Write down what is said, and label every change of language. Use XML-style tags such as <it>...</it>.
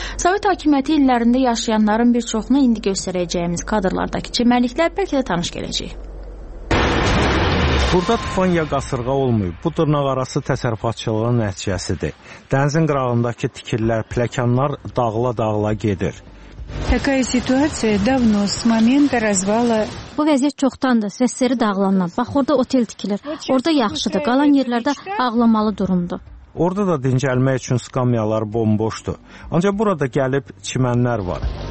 <az>Sovet hakimiyyəti illərində yaşayanların bir çoxuna indi göstərəcəyimiz kadrlardakı çimərliklər bəlkə də tanış gələcək. Burada tufan ya qasırğa olmayıb, bu dırnaq arası təsərrüfatçılığın nəticəsidir. Dənizin qırağındakı tikirlər, pləkanlar dağla-dağla gedir.</az> <ru>Такая ситуация давно, с момента развала.</ru> <az>Bu vəziyyət çoxdandır, səsləri dağılandan. Bax, orada otel tikilir, orada yaxşıdır, qalan yerlərdə ağlamalı durumdur. Orada da dincəlmək üçün skamyalar bomboşdur. Ancaq burada gəlib çimənlər var.</az>